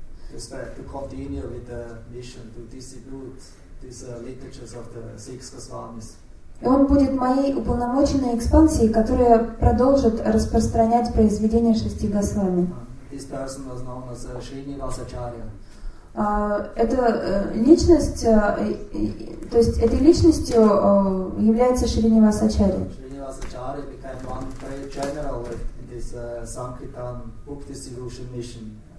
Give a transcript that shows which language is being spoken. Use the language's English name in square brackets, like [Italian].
[English] To continue with the mission to distribute these literatures of the six Goswamis. [Russian] Он будет моей уполномоченной экспансией, которая продолжит распространять произведения шести Госвами. [English] This person was known as Srinivas Acharya. [Russian] Эта личность, то есть этой личностью является Шринивас Ачарья. [English] Шринивас Ачарья became one great general in this Sankirtan book distribution mission.